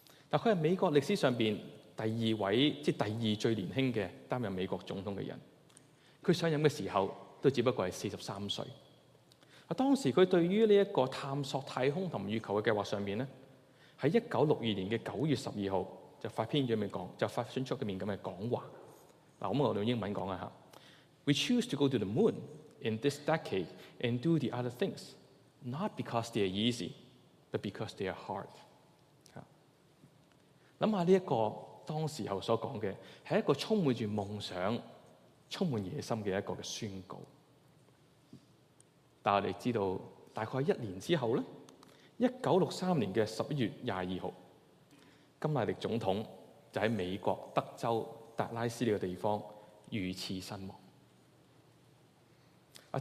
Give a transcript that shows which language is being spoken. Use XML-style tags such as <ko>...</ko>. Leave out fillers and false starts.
<zh>他是美国历史上面第二位，即第二最年轻的担任美国总统的人。他上任的时候都只不过是43岁。当时他对于这个探索太空和月球的计划上面，在1962年的9月12号就发篇了讲，就发信出面的讲话。我们用英文讲一下。</zh> <en>We choose to go to the moon in this decade and do the other things, not because they are easy, but because they are hard.</en> <zh>想想这个当时候所讲的是一个充满着梦想、充满野心的一个宣告。但我们知道大概一年之后，1963年的11月22号，金乃迪总统就在美国德州达拉斯这个地方遇刺身亡。</zh>